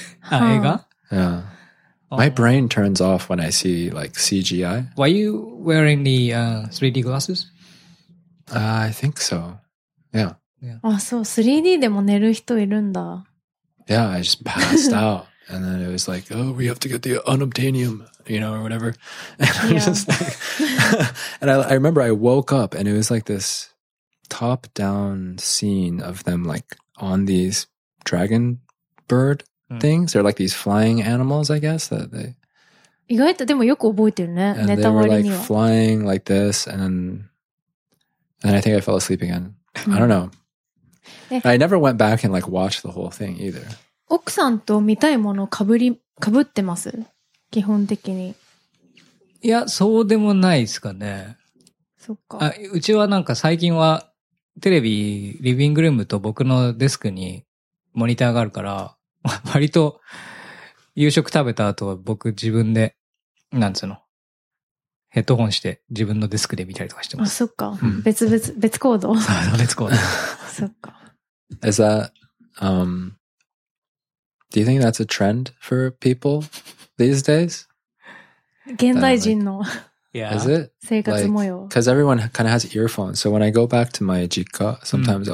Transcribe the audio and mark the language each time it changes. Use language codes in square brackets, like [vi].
[ja] あ、映画？ [en] Yeah. My brain turns off when I see like CGI. Were you wearing the 3D glasses? I think so. Yeah. [ja] あ、そう。 3D でも寝る人いるんだ。 [en] Yeah, I just passed out. And then it was like, oh, we have to get the unobtainium, you know, or whatever. And I'm just like, and I remember I woke up and it was like this top down scene of them like on these dragon bird things. They're like these flying animals, I guess, that they. [ja] 意外とでもよく覚えてるね。 [en] And they were like flying like this. And then I think I fell asleep again. I don't know. I never went back and like watched the whole thing either. [ja] 奥さんと見たいものを被ってます基本的に。いや、そうでもないですかね。そっか。あ、うちはなんか最近はテレビ、リビングルームと僕のデスクにモニターがあるから、割と夕食食べた後は僕自分で、なんつうの、ヘッドホンして自分のデスクで見たりとかしてます。あ、そっか。うん、別コード。そう、別コード。そっか。 [en] Is that, do you think that's a trend for people these days? [ja] 現代人の。 [en] Yeah. Is it? [ja] 生活模様。 [en] Because like, everyone kind of has earphones. So when I go back to my 実家, sometimes、mm.